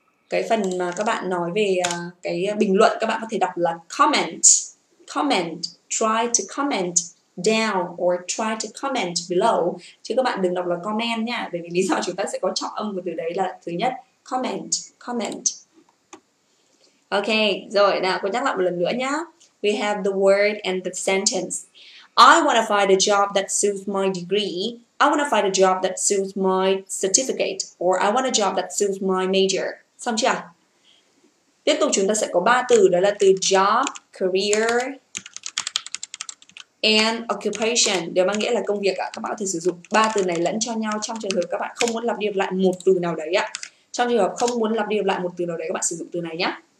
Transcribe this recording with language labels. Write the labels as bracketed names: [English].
[Vietnamese] Cái phần mà các bạn nói về cái bình luận các bạn có thể đọc là comment. Comment. [English] Try to comment down or try to comment below. [Vietnamese] Chứ các bạn đừng đọc là comment nha. Bởi vì lý do chúng ta sẽ có trọng âm của từ đấy là thứ nhất, comment, comment. Ok, rồi nào, cô nhắc lại một lần nữa nhá. [English] We have the word and the sentence. I want to find a job that suits my degree. I want to find a job that suits my certificate. Or I want a job that suits my major. [Vietnamese] Xong chưa? Tiếp tục chúng ta sẽ có ba từ, đó là từ job, career and occupation, đều mang nghĩa là công việc ạ. Các bạn có thể sử dụng ba từ này lẫn cho nhau trong trường hợp các bạn không muốn lặp đi lặp lại một từ nào đấy ạ. Trong trường hợp không muốn lặp đi lặp lại một từ nào đấy, các bạn sử dụng từ này nhé.